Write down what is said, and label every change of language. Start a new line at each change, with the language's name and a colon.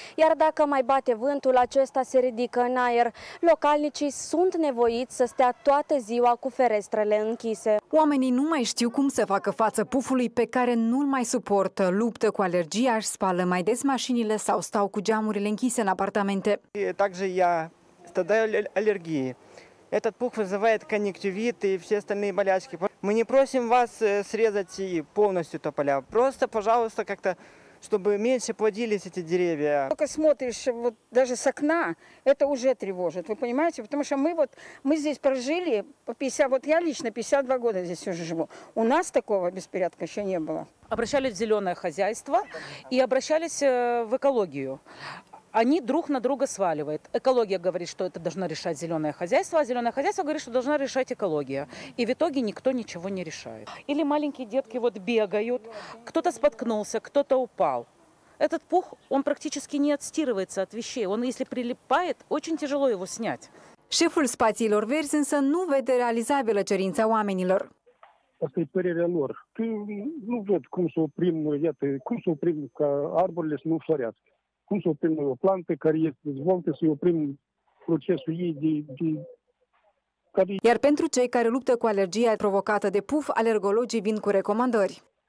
Romanian: Iar dacă mai bate vântul, acesta se ridică în aer. Localnicii sunt nevoiți să stea toată ziua cu ferestrele închise. Oamenii nu mai știu cum să facă față pufului pe care nu-l mai suportă. Luptă cu alergia, își spală mai des mașinile sau stau cu geamurile închise în apartamente.
Russian: Также я страдаю алергией. Этот пух вызывает конъюнктивит и все остальные болячки. Мы не просим вас срезать и полностью тополя. Просто, пожалуйста, как-то, чтобы меньше плодились эти деревья. Только смотришь вот даже с окна, это уже тревожит. Вы понимаете? Потому что мы здесь прожили по 50, вот я лично 52 года здесь уже живу. У нас такого беспорядка еще не было. Обращались в зеленое хозяйство и обращались в экологию. Они друг на друга сваливают. Экология говорит, что это должно решать зеленое хозяйство, а зеленое хозяйство говорит, что должна решать экология. И в итоге никто ничего не решает. Или маленькие детки вот бегают, кто-то споткнулся, кто-то упал. Этот пух, он практически не отстирывается от вещей. Он, если прилипает, очень тяжело его снять.
Romanian: Шефул спатилор Верзинса не видит реализабельно черинца уаменилор. Asta e părerea lor. Nu văd cum să oprim, iată, cum să oprim ca arborile să nu florească. Cum să oprim o plantă care este dezvoltă, să-i oprim procesul ei de... Iar pentru cei care luptă cu alergia provocată de puf, alergologii vin cu recomandări.